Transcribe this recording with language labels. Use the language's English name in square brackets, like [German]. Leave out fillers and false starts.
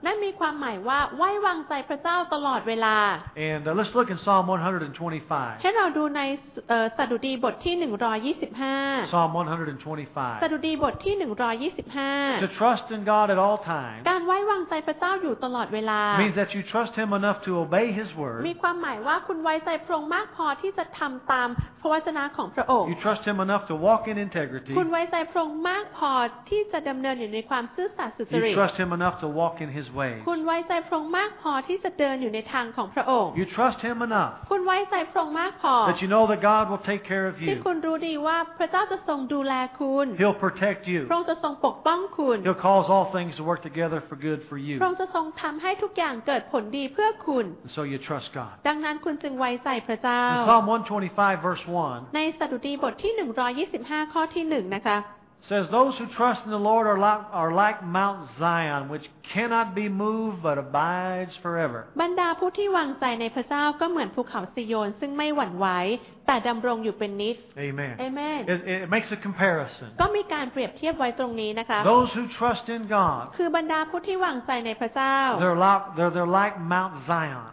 [Thai] นั่นมีความหมายว่าไว้วางใจพระเจ้าตลอดเวลา [English] And let's look in Psalm 125. [Thai] ให้เราดูในสดุดีบทที่125. [English] Psalm 125. [Thai] สดุดีบทที่125. [English] To trust in God at all times. [Thai] การไว้วางใจพระเจ้าอยู่ตลอดเวลา. [English] Means that you trust Him enough to obey His word. [Thai] มีความหมายว่าคุณไว้ใจพระองค์มากพอที่จะทำตามพระวจนะของพระองค์. [English] You trust Him enough to walk in integrity. [Thai] คุณไว้ใจพระองค์มากพอที่จะดำเนินอยู่ในความซื่อสัตย์สุจริต. [English] You trust Him enough to walk in His ways. [Thai] คุณไว้ใจพระองค์มากพอที่จะเดินอยู่ในทางของพระองค์. [English] You trust Him enough. [Thai] คุณไว้ใจพระองค์มากพอ [English] That you know that God will take care of you. [Thai] ที่คุณรู้ดีว่าพระเจ้าจะทรงดูแลคุณ [English] He'll protect you. [Thai] พระองค์จะทรงปกป้องคุณ [English] He'll cause all things to work together for good for you. [Thai] พระองค์จะทรงทำให้ทุกอย่างเกิดผลดีเพื่อคุณ [English] So you trust God. [Thai] ดังนั้นคุณจึงไว้ใจพระเจ้า [English] Psalm 125 verse 1. [Thai] ในสดุดีบทที่125ข้อที่1นะคะ [English] Says those who trust in the Lord are like Mount Zion, which cannot be moved but abides forever. [Thai] บรรดาผู้ที่วางใจในพระเจ้าก็เหมือนภูเขาซิโยนซึ่งไม่หวั่นไหว แต่ดำรงอยู่เป็นนิจ [English] Amen Amen it makes a comparison [Thai] ก็มีการเปรียบเทียบไว้ตรงนี้นะคะ [English] Those who trust in God [Thai] คือบรรดาผู้ที่หวังใจในพระเจ้า [English] They're like Mount Zion